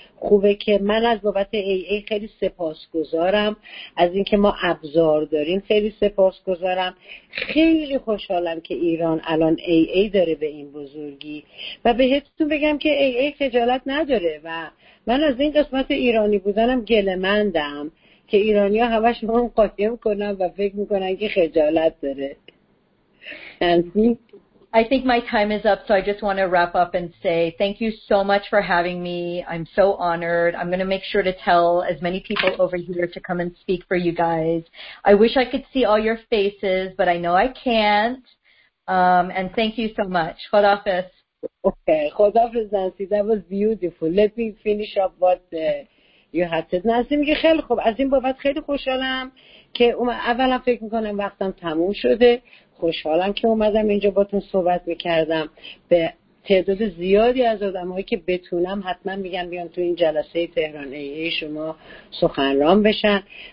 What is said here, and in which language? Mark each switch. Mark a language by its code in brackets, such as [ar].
[fa] خوبه که من از بابت AA خیلی سپاسگزارم، از اینکه ما ابزار داریم خیلی سپاسگزارم، خیلی خوشحالم که ایران الان AA داره به این بزرگی. و بهتون بگم که AA خجالت نداره و من از این قسمت ایرانی بودنم گله‌مندم که ایرانی‌ها همش ما هم قایم کنن و فکر میکنن که خجالت داره. [en] I think my time is up, so I just want to wrap up and say thank you so much for having me. I'm so honored. I'm going to make sure to tell as many people over here to come and speak for you guys. I wish I could see all your faces, but I know I can't. And thank you so much. Khodafiz. Okay. Khodafiz, Nancy. That was beautiful. Let me finish up what you had said. [fa] Nancy, میگه خیلی خوب. از این بابت خیلی خوشحالم که اولا فکر میکنم وقتم تموم شده. خوشحالم که اومدم اینجا باهاتون صحبت میکردم. به تعداد زیادی از آدمایی که بتونم حتما میگم بیان تو این جلسه تهران AA شما سخنران بشن.